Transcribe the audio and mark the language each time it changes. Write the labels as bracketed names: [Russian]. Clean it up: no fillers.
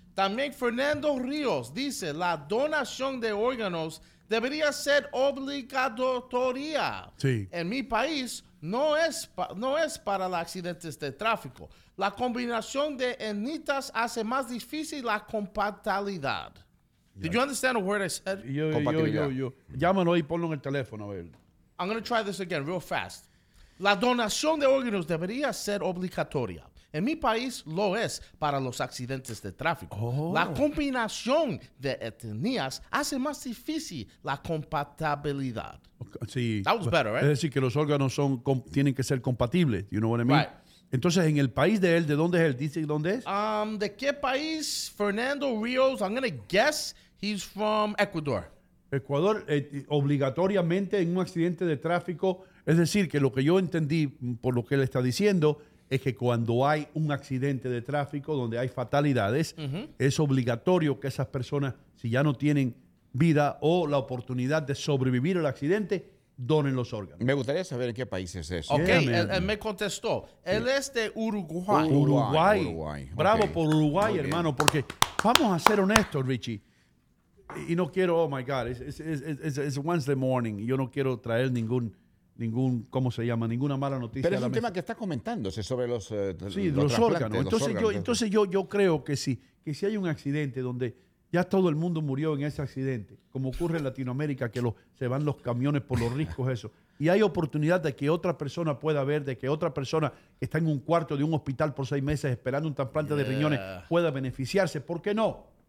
[Spanish] También Fernando Ríos dice, la donación de órganos debería ser obligatoria. Sí. En mi país no es para los accidentes de tráfico. La combinación de etnias hace más difícil la compatibilidad. [English] Yes. Did you understand a word I said? [Spanish] Yo. Llámalo y ponlo en el teléfono. A ver. [English] I'm going to try this again real fast. [Spanish] La donación de órganos debería ser obligatoria. En mi país lo es para los accidentes de tráfico. Oh. La combinación de etnias hace más difícil la compatibilidad. Okay, sí. [English] That was better, right? [Spanish] Es decir, que los órganos tienen que ser compatibles. [English] You know what I mean? Right. [Spanish] Entonces, en el país de él, ¿de dónde es él? ¿Dice dónde es? ¿De qué país? [English] Fernando Ríos. I'm going to guess he's from Ecuador. [Spanish] Ecuador, obligatoriamente en un accidente de tráfico. Es decir, que lo que yo entendí por lo que él está diciendo es que cuando hay un accidente de tráfico donde hay fatalidades, uh-huh, es obligatorio que esas personas, si ya no tienen vida o la oportunidad de sobrevivir al accidente, donen los órganos. Me gustaría saber en qué país es eso. Ok, yeah, él me contestó. Él es de Uruguay. Uruguay. Bravo, okay, por Uruguay, okay, hermano, porque vamos a ser honestos, Richie. Y no quiero, [English] oh my God, it's Wednesday morning. [Spanish] Yo no quiero traer ningún, ¿cómo se llama? Ninguna mala noticia. Pero es un tema que está comentándose sobre los órganos. Sí, los órganos. Entonces yo creo que si hay un accidente donde ya todo el mundo murió en ese accidente, como ocurre en Latinoamérica, que se van los camiones por los riscos, eso, y hay oportunidad de que otra persona pueda ver, de que otra persona que está en un cuarto de un hospital por 6 meses esperando un trasplante, yeah, de riñones pueda beneficiarse, ¿por qué no?